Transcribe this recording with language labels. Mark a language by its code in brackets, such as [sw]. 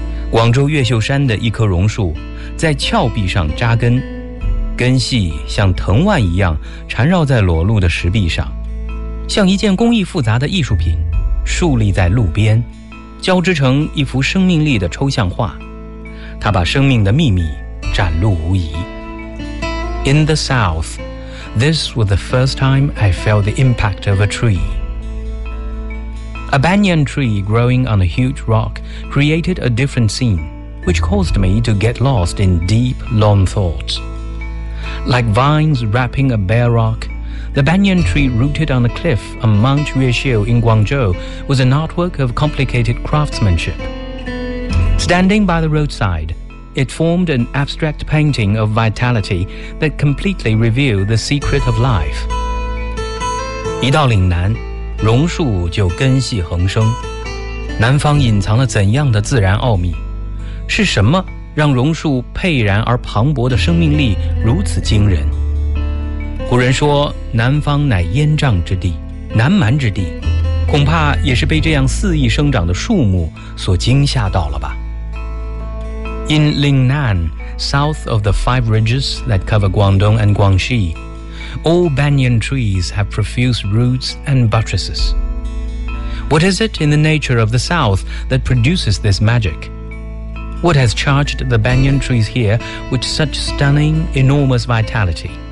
[zh] 广州越秀山的一棵榕树在峭壁上扎根，根系像藤蔓一样缠绕在裸露的石壁上，像一件工艺复杂的艺术品竖立在路边，交织成一幅生命力的抽象画。它把生命的秘密展露无遗。 [en] In the south, this was the first time I felt the impact of a tree. A banyan tree growing on a huge rock created a different scene, which caused me to get lost in deep, long thoughts. Like vines wrapping a bare rock, the banyan tree rooted on a cliff on Mount Yueshio in Guangzhou was an artwork of complicated craftsmanship. Standing by the roadside,It formed an abstract painting of vitality that completely revealed the secret of life. [zh] 一到岭南，榕树就根系横生。南方隐藏了怎样的自然奥秘？是什么让榕树沛然而磅礴的生命力如此惊人？古人说，南方乃烟瘴之地，南蛮之地，恐怕也是被这样肆意生长的树木所惊吓到了吧。 [en] In Lingnan, south of the five ridges that cover Guangdong and Guangxi, all banyan trees have profuse roots and buttresses. What is it in the nature of the south that produces this magic? What has charged the banyan trees here with such stunning, enormous vitality?